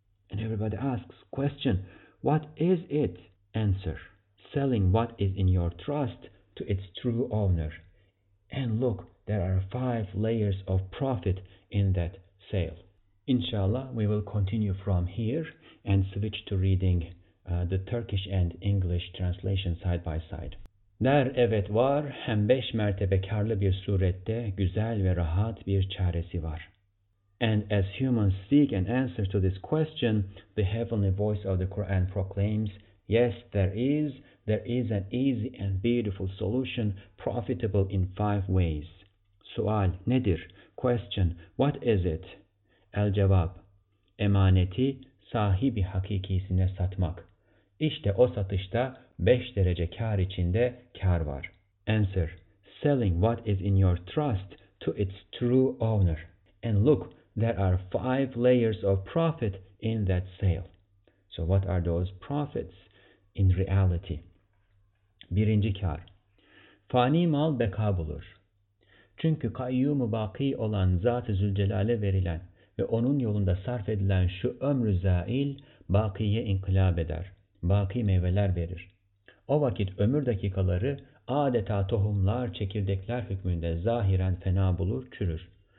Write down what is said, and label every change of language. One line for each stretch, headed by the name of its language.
English: And everybody asks, question, what is it? Answer, selling what is in your trust to its true owner. And look, there are 5 layers of profit in that sale. Inshallah, we will continue from here and switch to reading the Turkish and English translation side by side.
Turkish: Der evet var, hem 5 mertebe karlı bir surette güzel ve rahat bir çaresi var.
English: And as humans seek an answer to this question, the heavenly voice of the Quran proclaims, yes, there is an easy and beautiful solution, profitable in 5 ways.
Turkish: Sual nedir?
English: Question, what is it?
Turkish: El cevap, emaneti sahibi hakikisine satmak. İşte o satışta 5 derece kar içinde kar var.
English: Answer, selling what is in your trust to its true owner. And look, there are 5 layers of profit in that sale. So what are those profits in reality?
Turkish: Birinci kar. Fani mal beka bulur. Çünkü kayyumu baki olan Zat-ı Zülcelal'e verilen ve onun yolunda sarf edilen şu ömrü zail bakiye inkılap eder. Baki meyveler verir. O vakit ömür dakikaları adeta tohumlar, çekirdekler hükmünde zahiren fena bulur, çürür.